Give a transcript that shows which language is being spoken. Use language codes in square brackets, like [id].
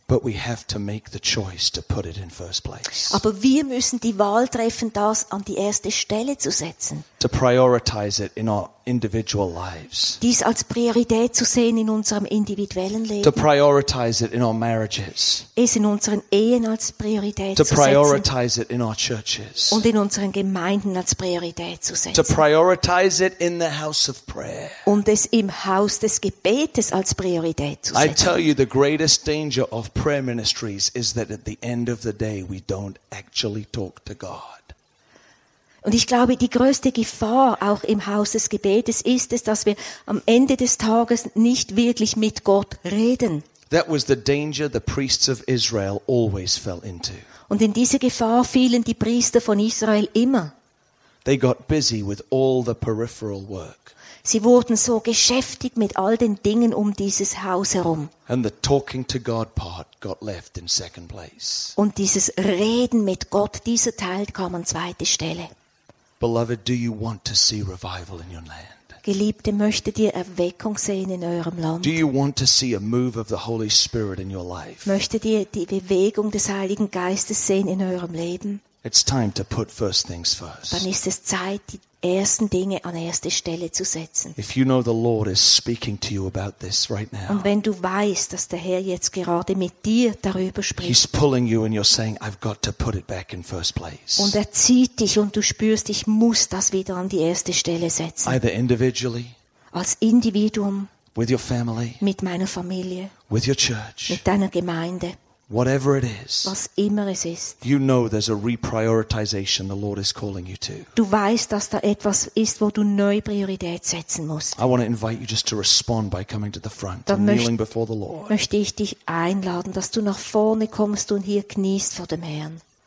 [en] But we have to make the choice to put it in first place. [de] Aber wir müssen die Wahl treffen, das an die erste Stelle zu setzen. [en] To prioritize it in our individual lives. [de] Dies als Priorität zu sehen in unserem individuellen Leben. [en] To prioritize it in our marriages. [de] Es in unseren Ehen als Priorität zu setzen. [en] To prioritize it in our churches. [de] Und in unseren Gemeinden als Priorität zu setzen. [en] To prioritize it in the house of prayer. [de] Und es im Haus des Gebetes als Priorität zu setzen. [en] I tell you, the greatest danger of prayer ministries is that at the end of the day we don't actually talk to God. [de] Und ich glaube, die größte Gefahr auch im Haus des Gebetes ist es, dass wir am Ende des Tages nicht wirklich mit Gott reden. [en] That was the danger the priests of Israel always fell into. [de] Und in diese Gefahr fielen die Priester von Israel immer. [en] They got busy with all the peripheral work. [de] Sie wurden so geschäftig mit all den Dingen um dieses Haus herum. [en] And the talking to God part got left in second place. [de] Und dieses Reden mit Gott, dieser Teil kam an zweite Stelle. [en] Beloved, do you want to see revival in your land? [de] Geliebte, möchtet ihr Erweckung sehen in eurem Land? [en] Do you want to see a move of the Holy Spirit in your life? [de] Möchtet ihr die Bewegung des Heiligen Geistes sehen in eurem Leben? [en] It's time to put first things first. [de] Dann ist es Zeit, die ersten Dinge an erste Stelle zu setzen. [en] If you know the Lord is speaking to you about this right now. [de] Und wenn du weißt, dass der Herr jetzt gerade mit dir darüber spricht. [en] He's pulling you and you're saying, I've got to put it back in first place. [de] Und er zieht dich und du spürst, ich muss das wieder an die erste Stelle setzen. [en] Either individually. [de] Als Individuum. [en] With your family. [de] Mit meiner Familie. [en] With your church. [de] Mit deiner Gemeinde. [en] Whatever it is, [de] was immer es ist, [en] you know there's a reprioritization the Lord is calling you to. [de] Du weißt, dass da etwas ist, wo du neue Priorität setzen musst. [en] I want to invite you just to respond by coming to the front and kneeling before the Lord. [de] Möchte ich dich einladen, dass du nach vorne kommst und hier kniest vor dem Herrn.